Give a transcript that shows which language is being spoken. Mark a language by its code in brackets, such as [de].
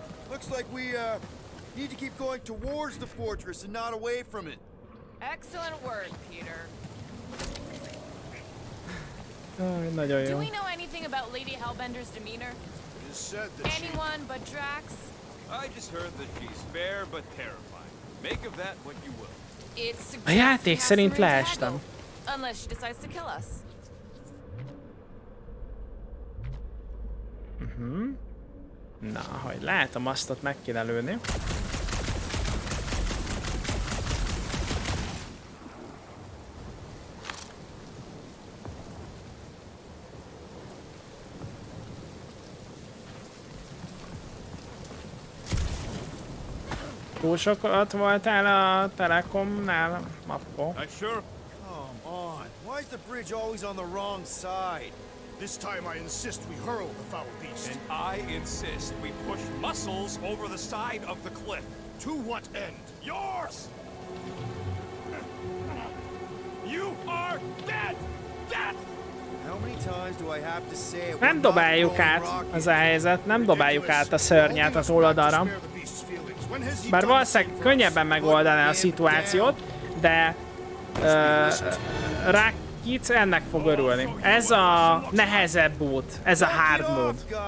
[en] Looks like we need to keep going towards the fortress and not away from it. Excellent work, Peter. [hu] Nagyon jó. [en] Do we know anything about Lady Hellbender's demeanor? You said that anyone but Drax? I just heard that she's fair but terrifying. Make of that what you will. It's [hu] a játék szerint leestem. [en] Unless she decides to kill us. [hu] Na, hogy lehet a masztot meg kéne lőni. Túl sokat voltál a Telekomnál, mappó. [en] I sure. Come on. Why is the bridge always on the wrong side? This time I insist we hurl the foul beast. And I insist we push muscles over the side of the cliff. To what end? Yours! You are dead! Dead! How many times do I have to say it? [hu] Nem dobáljuk át az a helyzet, nem dobáljuk át a szörnyet az oldalra. Bár valószínűleg könnyebben megoldaná a szituációt, de Rakic ennek fog örülni. Ez a nehezebb út, ez a hard mód.